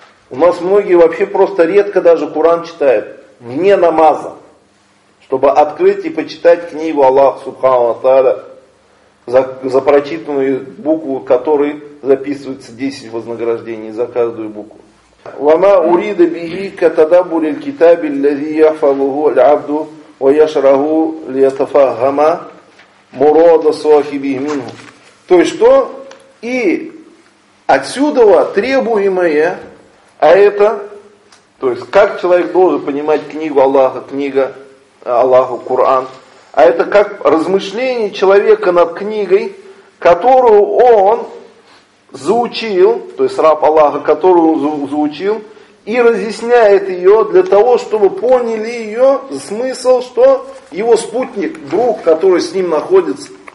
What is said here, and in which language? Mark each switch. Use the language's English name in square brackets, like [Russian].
[Russian] У нас многие вообще просто редко даже Кур'ан читают, вне намаза, чтобы открыть и почитать книгу Аллаха Субхану ва Тааля, за прочитанную букву, которой записывается 10 вознаграждений за каждую букву. [Arabic] وما أريد به كتدبر الكتاب الذي يحفظه العبد ويشرحه ليتفهم مراد صاحبه منه. [Russian] То есть что и отсюда требуемое, а это, то есть как человек должен понимать книгу Аллаха, книга Аллаха, Коран, а это как размышление человека над книгой, которую он заучил, то есть раб Аллаха, которую он заучил, и разъясняет ее для того, чтобы поняли ее смысл, что его спутник, друг, который с ним находится.